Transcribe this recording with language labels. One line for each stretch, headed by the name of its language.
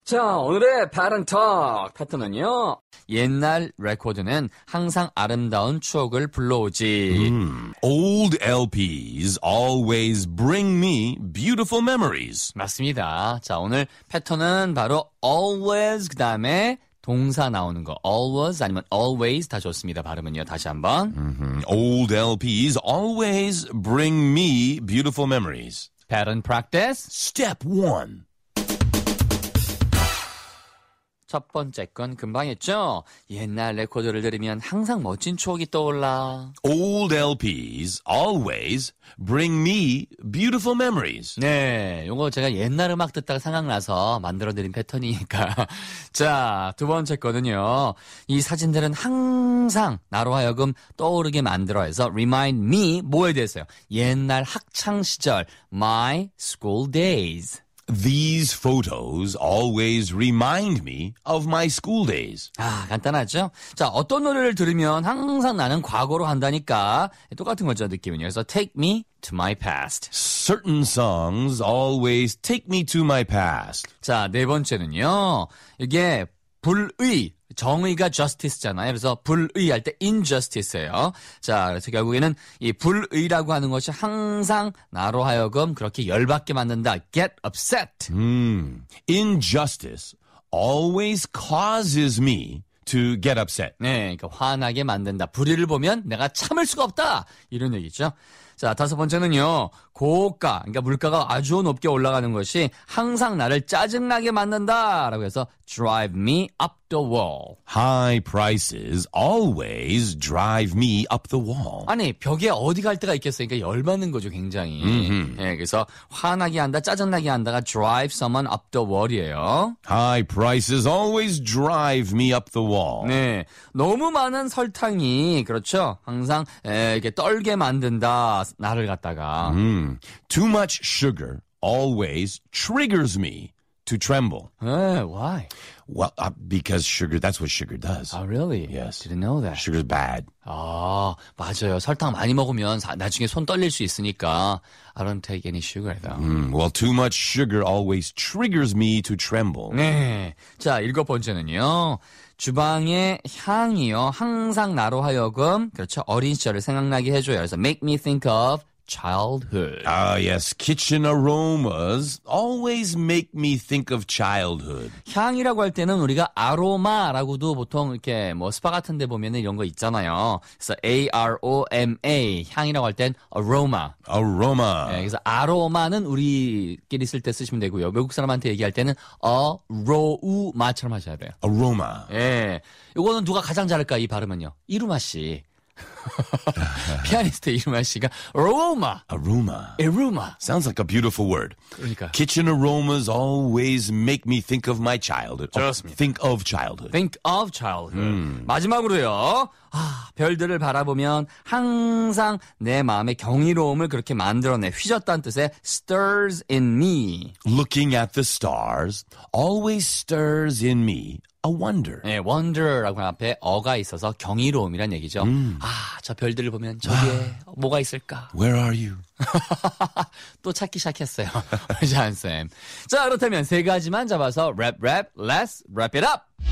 Korean: 자, 오늘의 파렌톡 패턴은요. 옛날 레코드는 항상 아름다운 추억을 불러오지.
English: Old LPs always bring me beautiful memories.
Korean: 맞습니다. 자, 오늘 패턴은 바로
English: always
Korean: 그다음에 동사 나오는 거 always 아니면 always 다 좋습니다. 발음은요. 다시 한번.
English: Old LPs always bring me beautiful memories. Pattern practice. Step 1.
Korean: 첫 번째 건 금방 했죠? 옛날 레코드를 들으면 항상 멋진 추억이 떠올라.
English: Old LPs always bring me beautiful memories.
Korean: 네, 이거 제가 옛날 음악 듣다가 생각나서 만들어드린 패턴이니까. 자, 두 번째 거는요. 이 사진들은 항상 나로 하여금 떠오르게 만들어 해서
English: remind me
Korean: 뭐에 대해서요? 옛날 학창 시절,
English: my school days. These photos always remind me of my school days.
Korean: 아, 간단하죠? 자, 어떤 노래를 들으면 항상 나는 과거로 간다니까. 똑같은 거죠, 느낌은요. 그래서
English: take me to my past. Certain songs always take me to my past.
Korean: 자, 네 번째는요. 이게 불의, 정의가
English: justice
Korean: 잖아요. 그래서 불의 할 때
English: injustice
Korean: 예요. 자, 그래서 결국에는 이 불의라고 하는 것이 항상 나로 하여금 그렇게 열받게 만든다.
English: Get upset. Injustice always causes me to get upset.
Korean: 네, 그러니까 화나게 만든다. 불의를 보면 내가 참을 수가 없다. 이런 얘기죠. 자, 다섯 번째는요. 고가, 그러니까 물가가 아주 높게 올라가는 것이 항상 나를 짜증나게 만든다.
English: 라고 해서 drive me up the wall. High prices always drive me up the wall.
Korean: 아니, 벽에 어디 갈 데가 있겠어요? 그러니까 열받는 거죠, 굉장히. 네, 그래서 화나게 한다, 짜증나게 한다가
English: drive someone up the wall
Korean: 이에요.
English: High prices always drive me up the wall.
Korean: 네, 너무 많은 설탕이, 그렇죠? 항상 이렇게 떨게 만든다. 나를 갖다가
English: Too much sugar always triggers me to tremble. Why? Well, because sugar, that's what sugar does. Oh, really? Yes. Didn't know that. Sugar's bad.
Korean: 아, 맞아요. 설탕 많이 먹으면 나중에 손 떨릴 수 있으니까
English: I don't take any sugar though. Well, too much sugar always triggers me to tremble.
Korean: 네. 자, 일곱 번째는요. 주방의 향이요. 항상 나로 하여금, 그렇죠. 어린 시절을 생각나게 해줘요. 그래서
English: make me think of childhood.
Korean: Ah, yes.
English: Kitchen aromas always make me think of childhood.
Korean: 향이라고 할 때는 우리가 아로마라고도 보통 이렇게 뭐 스파 같은 데 보면 이런 거 있잖아요. 그래서 A-R-O-M-A. 향이라고 할 땐
English: aroma. Aroma.
Korean: 네, 그래서 아로마는 우리끼리 쓸 때 쓰시면 되고요. 외국 사람한테 얘기할 때는
English: aroma
Korean: 처럼 하셔야 돼요.
English: Aroma.
Korean: 예. 네, 이거는 누가 가장 잘할까, 이 발음은요? 이루마 씨. 피아니스트 이루마 씨가
English: aroma. Aroma. Aroma. Sounds like a beautiful word.
Korean: 그러니까.
English: Kitchen aromas always make me think of my childhood.
Korean: 좋습니다.
English: Think of childhood. Think of childhood.
Korean: 마지막으로요. 아, 별들을 바라보면 항상 내 마음의 경이로움을 그렇게 만들어내. 휘젓다는 뜻의
English: stirs in me. Looking at the stars always stirs in me. A wonder.
Korean: 네,
English: wonder
Korean: 라고 앞에 어가 있어서 경이로움이란 얘기죠. 아, 저 별들을 보면 저기에 뭐가 있을까?
English: Where are you?
Korean: 또 찾기 시작했어요. 잔쌤. 자, 그렇다면 세 가지만 잡아서 랩, 랩,
English: let's wrap it up.